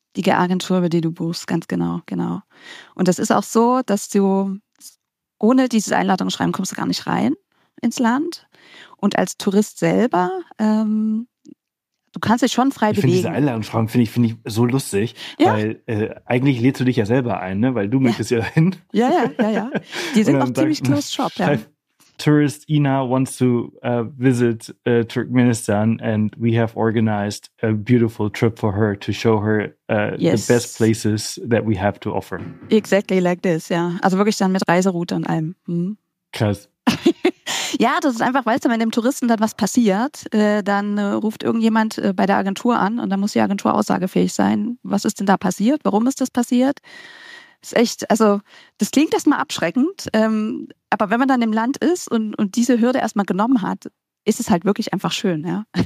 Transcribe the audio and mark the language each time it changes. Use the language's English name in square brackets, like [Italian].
[German] Die Agentur, über die du buchst, ganz genau, genau. Und das ist auch so, dass du ohne dieses Einladungsschreiben kommst du gar nicht rein ins Land. Und als Tourist selber, du kannst dich schon frei bewegen. Ich finde diese Einladungsschreiben finde ich so lustig, weil eigentlich lädst du dich ja selber ein, ne? Weil du möchtest ja dahin. Ja. Die sind auch ziemlich closed shop, ja. [English] Tourist Ina wants to visit Turkmenistan and we have organized a beautiful trip for her to show her the best places that we have to offer. Exactly like this, [German] ja. Also wirklich dann mit Reiseroute und allem. Krass. Ja, das ist einfach, weißt du, wenn dem Touristen dann was passiert, dann ruft irgendjemand bei der Agentur an und dann muss die Agentur aussagefähig sein. Was ist denn da passiert? Warum ist das passiert? Ist echt, also das klingt erstmal abschreckend, aber wenn man dann im Land ist und diese Hürde erstmal genommen hat, ist es halt wirklich einfach schön, ja.